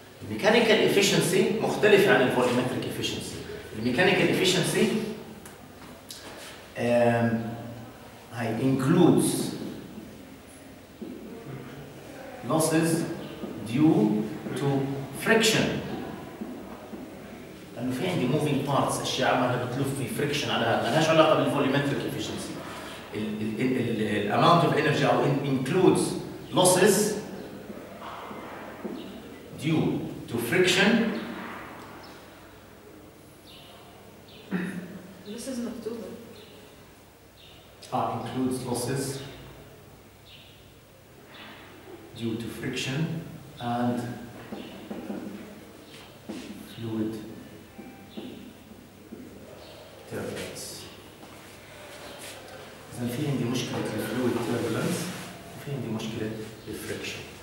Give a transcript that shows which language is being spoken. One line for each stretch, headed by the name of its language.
English: mechanical efficiency
Arabic: مختلف عن
English: volumetric efficiency. mechanical efficiency هاي includes losses due to friction.
Arabic: لأنه في عندي moving parts، أشياء عمالها بتلف في friction على هذا، مالهاش علاقة بالvolumetric efficiency.
English: الـ amount of energy أو includes losses due to friction.
Arabic: losses مكتوبة.
English: Includes losses due to friction and fluid turbulence.
Arabic: إذا في عندي مشكلة fluid turbulence وفي عندي مشكلة friction.